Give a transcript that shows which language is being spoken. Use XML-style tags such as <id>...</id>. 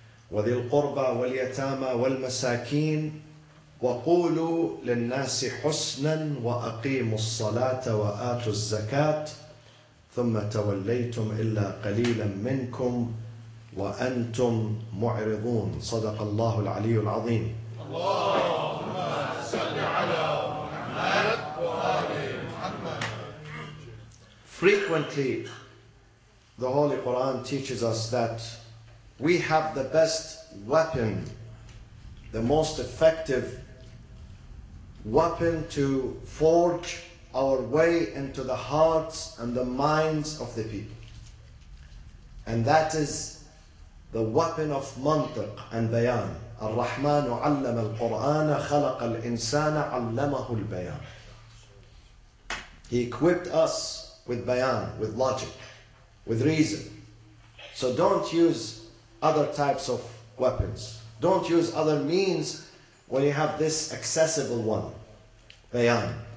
<ar>وذي القربى واليتامى والمساكين وقولوا للناس حسنا وأقيموا الصلاة وآتوا الزكاة ثم توليتم إلا قليلا منكم وأنتم معرضون صدق الله العلي العظيم اللهم صل على محمد وآل محمد.</ar> <en>Frequently, the Holy Quran teaches us that we have the best weapon, the most effective weapon to forge our way into the hearts and the minds of the people. And that is the weapon of mantiq and bayan.</en> <ar>الرحمن علم القرآن خلق الإنسان علمه البيان.</ar> <en>He equipped us with bayan, with logic, with reason. So don't use other types of weapons. Don't use other means when you have this accessible one, bayan.</en>